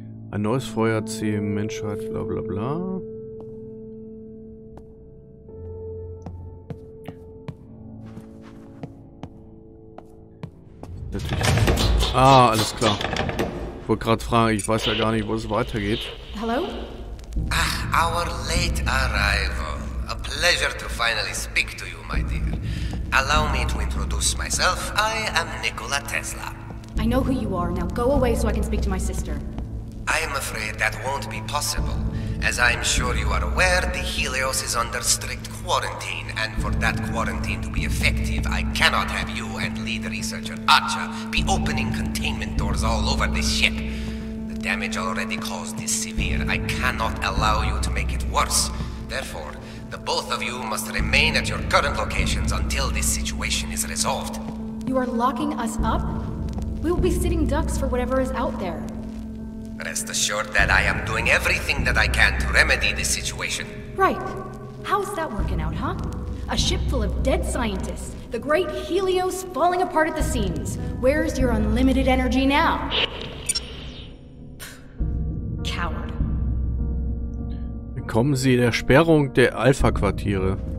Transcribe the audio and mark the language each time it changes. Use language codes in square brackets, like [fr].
[de] Ein neues Feuer ziehen, Menschheit, bla bla bla. Ah, alles klar. Ich wollte gerade fragen, ich weiß ja gar nicht, wo es weitergeht. Hallo? [en] Ah, our late arrival. A pleasure to finally speak to you, my dear. Allow me to introduce myself. I am Nikola Tesla. I know who you are. Now go away so I can speak to my sister. I am afraid that won't be possible. As I'm sure you are aware, the Helios is under strict quarantine, and for that quarantine to be effective, I cannot have you and lead researcher Archa be opening containment doors all over this ship. The damage already caused is severe. I cannot allow you to make it worse. Therefore, the both of you must remain at your current locations until this situation is resolved. You are locking us up? We will be sitting ducks for whatever is out there. Rest assured that I am doing everything that I can to remedy this situation. Right. How's that working out, huh? A ship full of dead scientists. The great Helios falling apart at the seams. Where's your unlimited energy now? Coward. [de] Kommen Sie der Sperrung der Alpha-Quartiere.